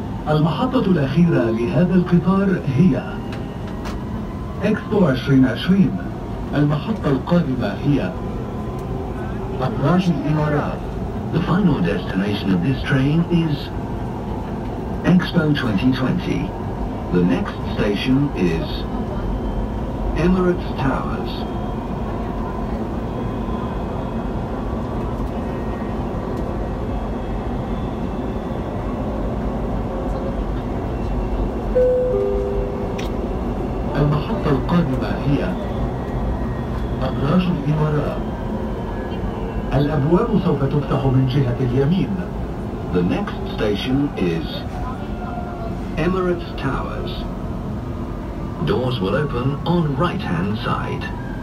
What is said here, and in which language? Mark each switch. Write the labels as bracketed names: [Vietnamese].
[Arabic] المحطة الأخيرة لهذا القطار هي إكسبو 2020. المحطة القادمة هي أبراج الإمارات. [English] The final destination of this train is Expo 2020. The next station is Emirates Towers. [Arabic] المحطة القادمة هي الأفراج لوراء. الأبواب سوف تفتح من جهة اليمين. [English] The next station is Emirates Towers. Doors will open on right-hand side.